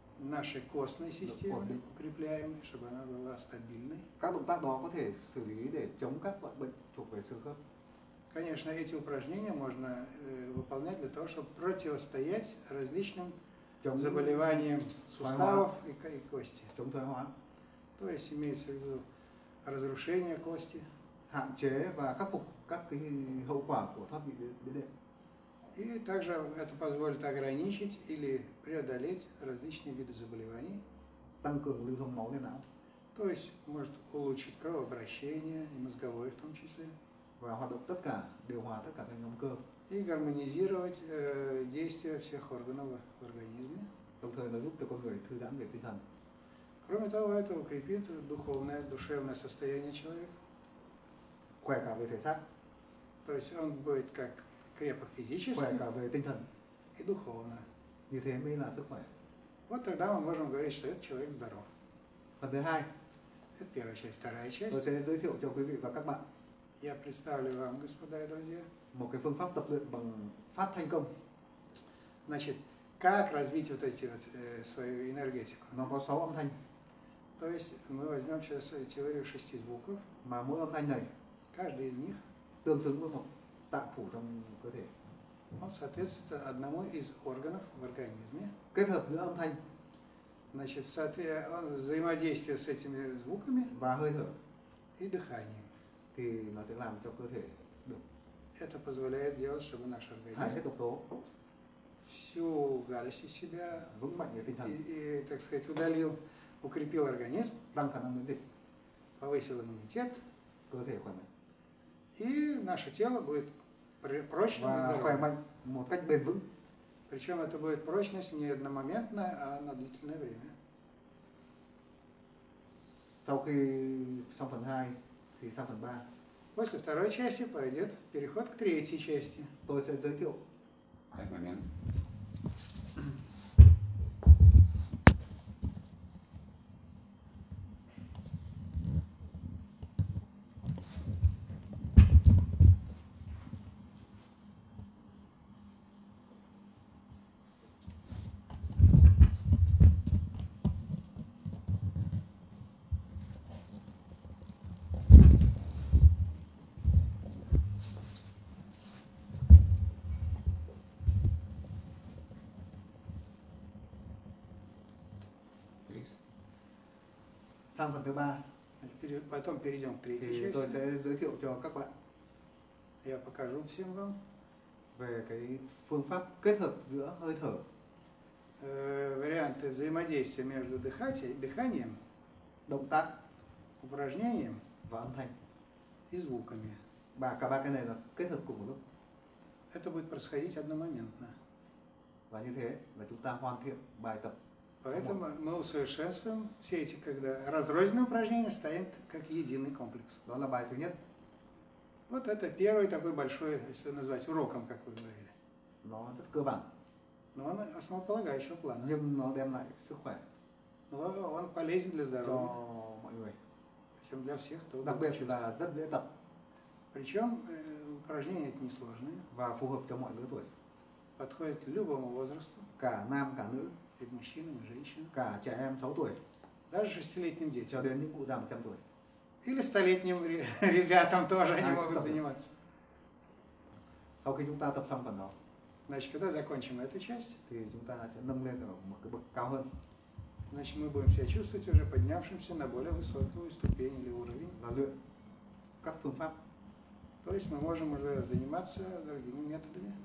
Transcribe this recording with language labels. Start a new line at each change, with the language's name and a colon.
Russian: нашей костной системы укрепляем, чтобы она была стабильной.
Vietnamese: Các động tác đó có thể xử lý để chống các loại bệnh thuộc về xương khớp.
Russian: Конечно, эти упражнения можно выполнять для того, чтобы противостоять различным
Vietnamese: chống
Russian: заболеваниям суставов
Vietnamese: hóa.
Russian: И кости.
Vietnamese: Chống thoái hóa.
Russian: То есть имеется в виду разрушение кости.
Vietnamese: Hạn chế và khắc phục các cái hậu quả của thoát vị đĩa đệm.
Russian: И также это позволит ограничить или преодолеть различные виды заболеваний.
Vietnamese: Tăng cường lưu thông máu lên não.
Russian: То есть может улучшить кровообращение и мозговое в том числе.
Vietnamese: Và hoạt động tất cả, điều hòa tất cả các nhóm cơ.
Russian: И гармонизировать действия всех органов в организме.
Vietnamese: Đồng thời nó giúp cho con người thư giãn về tinh thần.
Russian: Кроме того, это укрепит духовное, душевное состояние человека.
Vietnamese: Khỏe cả về thể xác.
Russian: То есть он будет как крепок физически,
Vietnamese: khỏe cả về tinh thần.
Russian: И духовно.
Vietnamese: Như thế mới là sức khỏe.
Russian: Вот тогда мы можем говорить, что этот человек здоров.
Vietnamese: Phần thứ hai.
Russian: Это первая часть. Вторая часть.
Vietnamese: Tôi sẽ giới thiệu cho quý vị và các bạn.
Russian: Я представлю вам, господа и друзья.
Vietnamese: Một cái phương pháp tập luyện bằng phát thanh công.
Russian: Значит, как развить вот эти вот свою энергетику?
Vietnamese: Nó có 6 âm thanh.
Russian: То есть мы возьмем сейчас теорию 6 звуков.
Vietnamese: Mà mỗi âm thanh này.
Russian: Каждый из них.
Vietnamese: Tương xứng với một tạng phủ trong cơ thể.
Russian: Он соответствует одному из органов в организме.
Vietnamese: Kết hợp giữa âm thanh.
Russian: Значит, взаимодействие с этими звуками.
Vietnamese: Và hơi thở.
Russian: И дыханием.
Vietnamese: Thì nó sẽ làm cho cơ thể được.
Russian: Это позволяет делать, чтобы наш организм.
Vietnamese: Hai sẽ độc tố.
Russian: Всю гадость из себя.
Vietnamese: Vững mạnh về tinh thần.
Russian: И, так сказать, удалил, укрепил организм.
Vietnamese: Tăng khả năng miễn dịch.
Russian: Повысил иммунитет.
Vietnamese: Cơ thể khỏe mạnh.
Russian: И наше тело будет прочным и здоровым.
Vietnamese: Một cách bền vững.
Russian: Причем это будет прочность не одномоментная, а на длительное время.
Vietnamese: Sau khi xong phần 2 thì sang phần 3.
Russian: После второй части пойдет переход к третьей части.
Vietnamese: Tôi sẽ giới thiệu.
Russian: Один момент.
Vietnamese: Sang phần thứ ba.
Russian: Потом перейдем к третьей
Vietnamese: thì
Russian: части.
Vietnamese: Tôi sẽ giới thiệu cho các bạn.
Russian: Я покажу всем вам.
Vietnamese: Về cái phương pháp kết hợp giữa hơi thở.
Russian: Варианты взаимодействия между дыханием.
Vietnamese: Động tác.
Russian: Упражнением.
Vietnamese: Và âm thanh.
Russian: И звуками.
Vietnamese: Và cả ba cái này là kết hợp cùng một lúc.
Russian: Это будет происходить одномоментно.
Vietnamese: Và như thế là chúng ta hoàn thiện bài tập.
Russian: Поэтому мы усовершенствуем все эти когда разрозненные упражнения, станет как единый комплекс. Да, на байту нет. Вот это первый такой большой, если назвать уроком, как вы говорили. Но это
Vietnamese: cơ bản.
Russian: Но он основополагающего плана.
Vietnamese: Nhưng nó đem lại sức khỏe.
Russian: Но он полезен для здоровья. Причем для всех, кто
Vietnamese: Đặc biệt là rất dễ tập.
Russian: Причем упражнения это несложные.
Vietnamese: Và phù hợp cho mọi lứa tuổi.
Russian: Подходит любому возрасту.
Vietnamese: Cả nam, cả nữ.
Russian: И мужчинам, и женщинам.
Vietnamese: Cả trẻ em 6 tuổi.
Russian: Даже 6-летним детям.
Vietnamese: Cho đến những cụ già 100 tuổi.
Russian: Или 100-летним ребятам тоже они могут заниматься.
Vietnamese: Sau khi chúng ta tập xong phần đó.
Russian: Значит, когда закончим эту часть.
Vietnamese: Thì chúng ta sẽ nâng lên ở một cái bậc cao hơn.
Russian: Значит, мы будем себя чувствовать уже поднявшимся на более высокую ступень или уровень.
Vietnamese: Là luyện các phương pháp.
Russian: То есть мы можем уже заниматься другими методами.